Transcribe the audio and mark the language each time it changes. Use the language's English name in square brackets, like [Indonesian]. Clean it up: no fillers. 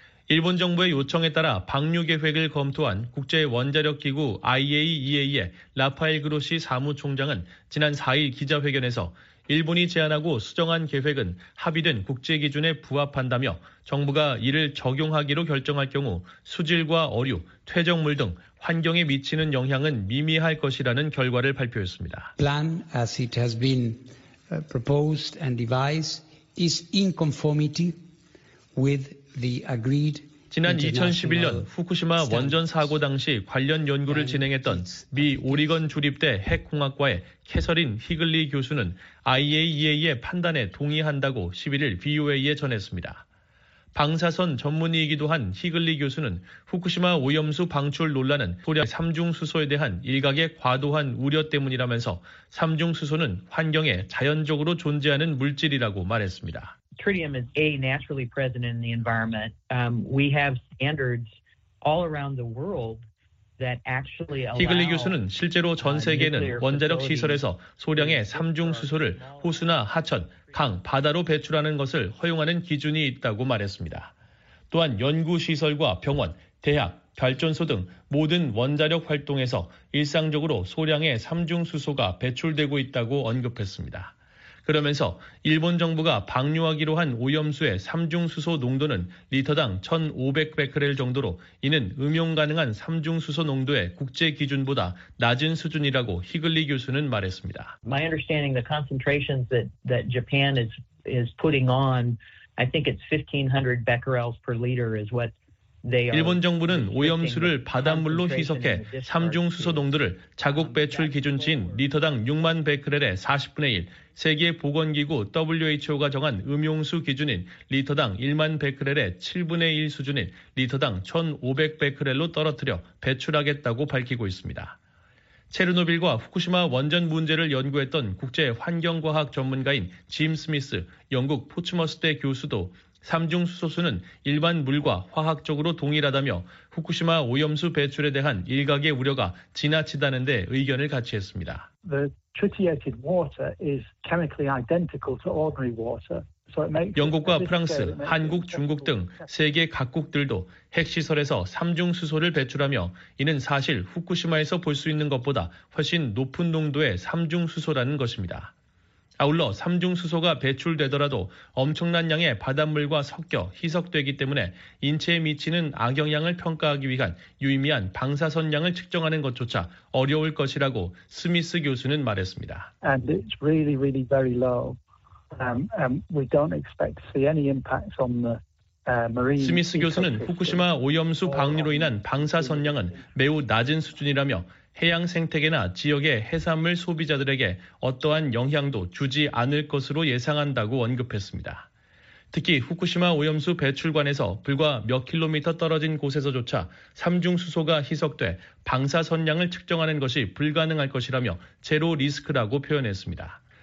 [Korean] 일본 정부의 요청에 따라 방류 계획을 검토한 국제원자력기구 IAEA의 라파엘 그로시 사무총장은 지난 4일 기자회견에서 일본이 제안하고 수정한 계획은 합의된 국제기준에 부합한다며 정부가 이를 적용하기로 결정할 경우 수질과 어류, 퇴적물 등 환경에 미치는 영향은 미미할 것이라는 결과를 발표했습니다. [English] Plan as it has been proposed and devised is in conformity with the agreed [Korean] 지난 2011년 후쿠시마 원전 사고 당시 관련 연구를 진행했던 미 오리건 주립대 핵공학과의 캐서린 히글리 교수는 IAEA의 판단에 동의한다고 11일 VOA에 전했습니다. 방사선 전문의이기도 한 히글리 교수는 후쿠시마 오염수 방출 논란은 소량 삼중수소에 대한 일각의 과도한 우려 때문이라면서 삼중수소는 환경에 자연적으로 존재하는 물질이라고 말했습니다. [English] Tritium is a naturally present in the environment. We have standards all around the world that actually allow. [Korean] 히글리 교수는 실제로 전 세계는 원자력 시설에서 소량의 삼중수소를 호수나 하천, 강, 바다로 배출하는 것을 허용하는 기준이 있다고 말했습니다. 또한 연구 시설과 병원, 대학, 발전소 등 모든 원자력 활동에서 일상적으로 소량의 삼중수소가 배출되고 있다고 언급했습니다. 그러면서 일본 정부가 방류하기로 한 오염수의 삼중수소 농도는 리터당 1500베크렐 정도로 이는 음용 가능한 삼중수소 농도의 국제 기준보다 낮은 수준이라고 히글리 교수는 말했습니다. [English] My understanding the concentrations that Japan is putting on, I think it's 1500 becquerels per liter is what [Korean] 일본 정부는 오염수를 바닷물로 희석해 삼중수소 농도를 자국 배출 기준치인 리터당 6만 베크렐의 40분의 1, 세계 보건기구 WHO가 정한 음용수 기준인 리터당 1만 베크렐의 7분의 1 수준인 리터당 1500 베크렐로 떨어뜨려 배출하겠다고 밝히고 있습니다. 체르노빌과 후쿠시마 원전 문제를 연구했던 국제 환경과학 전문가인 짐 스미스, 영국 포츠머스대 교수도 삼중수소수는 일반 물과 화학적으로 동일하다며 후쿠시마 오염수 배출에 대한 일각의 우려가 지나치다는 데 의견을 같이 했습니다. [English] The tritiated water is chemically identical to ordinary water. [Korean] 영국과 프랑스, 한국, 중국 등 세계 각국들도 핵시설에서 삼중수소를 배출하며 이는 사실 후쿠시마에서 볼 수 있는 것보다 훨씬 높은 농도의 삼중수소라는 것입니다. 아울러 삼중수소가 배출되더라도 엄청난 양의 바닷물과 섞여 희석되기 때문에 인체에 미치는 악영향을 평가하기 위한 유의미한 방사선 양을 측정하는 것조차 어려울 것이라고 스미스 교수는 말했습니다. [English] And it's really, really very low. We don't expect to see any impacts on the [Korean] 스미스 교수는 후쿠시마 오염수 방류로 인한 방사선량은 매우 낮은 수준이라며 해양 생태계나 지역의 해산물 소비자들에게 어떠한 영향도 주지 않을 것으로 예상한다고 언급했습니다. 특히 후쿠시마 오염수 배출관에서 불과 몇 킬로미터 떨어진 곳에서조차 삼중수소가 희석돼 방사선량을 측정하는 것이 불가능할 것이라며 제로 리스크라고 표현했습니다.